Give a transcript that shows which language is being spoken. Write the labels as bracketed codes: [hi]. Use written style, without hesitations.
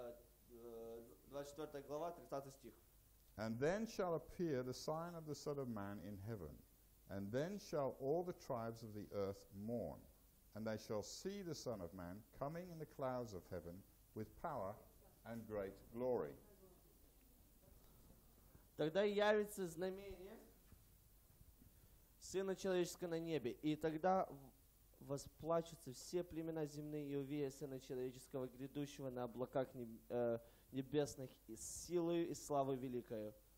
[ru] Я просто вам говорю, что тут говорит Писание, Матфея 24 глава, 30 стих. [en] And then shall appear the sign of the Son of Man in heaven, and then shall all the tribes of the earth mourn, and they shall see the Son of Man coming in the clouds of heaven with power and great glory. [ru] Тогда явится знамение Сына Человеческого на небе, и тогда восплачутся все племена земные и увидят Сына Человеческого, грядущего на облаках небесных, и с силою и славой великою.